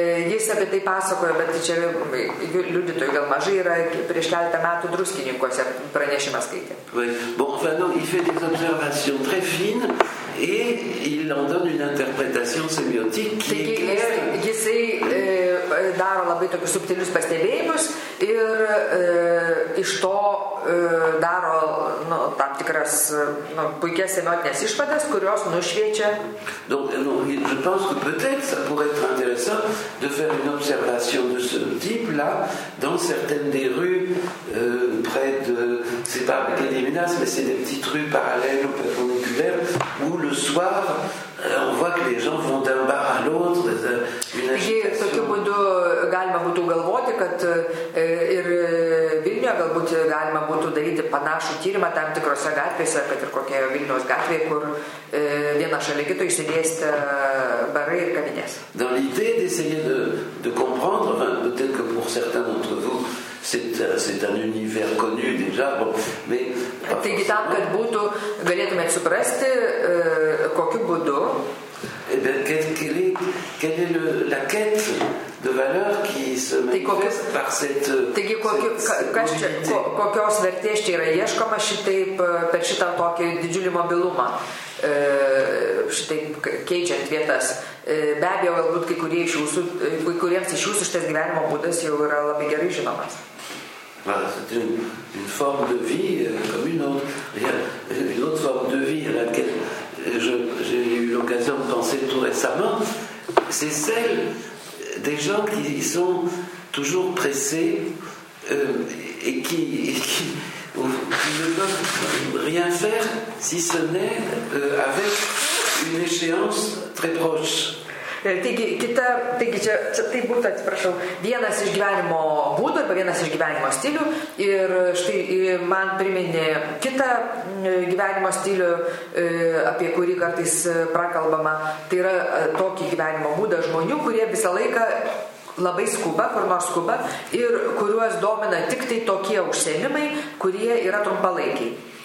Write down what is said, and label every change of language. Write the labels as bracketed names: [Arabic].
[Lithuanian] Jis apie tai pasakojo, bet čia liudytojų gal mažai yra prieš keletą metų Druskininkuose pranešimą skaitė. [French] Oui. Bon, enfin, non, il fait des observations très fines et il en donne une interprétation sémiotique qui [Lithuanian] taigi, est... jisai daro labai tokius subtilius pastebėjimus ir iš to daro nu, tam tikras nu, puikias sémiotinės išvadas, kurios nušviečia. [French] Donc, non, je pense que peut-être ça pourrait être intéressant de faire une observation de ce type-là dans certaines des rues près de... C'est pas avec les Minas, mais c'est des petites rues parallèles ou perpendiculaires où le soir, on voit que les gens vont d'un bar à l'autre. [Lithuanian] Tokiu būdu galima būtų galvoti, kad ir Vilniuje galbūt galima būtų daryti panašų tyrimą tam tikrose gatvėse, kad ir kokioje Vilniaus gatvėje, kur viena šalia kito išsidėsti barai ir kavinės. [French] Dans l'idée d'essayer de comprendre, enfin, peut-être que pour certains d'entre vous, c'est un univers connu déjà, bon, mais... [Lithuanian] Taigi tam, kad būtų, galėtume suprasti, kokiu būdu... [French] Eh bien, quelle est la quête de valeur qui se manifeste par cette... [Lithuanian] Taigi, kokios vertės čia yra ieškoma šitaip, per šitą tokį didžiulį mobilumą, šitaip keičiant vietas. Be abejo, galbūt kuriems iš jūsų šitas gyvenimo būdas jau yra labai gerai žinomas. [French] Voilà, c'est une forme de vie comme une autre. Une autre forme de vie à laquelle j'ai eu l'occasion de penser tout récemment, c'est celle des gens qui sont toujours pressés et qui ne peuvent rien faire si ce n'est avec une échéance très proche. [Lithuanian] Taigi čia tai būtų, atsiprašau, vienas iš gyvenimo būdų arba vienas iš gyvenimo stilių ir štai man priminė kitą gyvenimo stilių, apie kurį kartais prakalbama, tai yra tokį gyvenimo būdą žmonių, kurie visą laiką labai skuba, kur nors skuba ir kuriuos domina tik tai tokie užsiėmimai, kurie yra trumpalaikiai.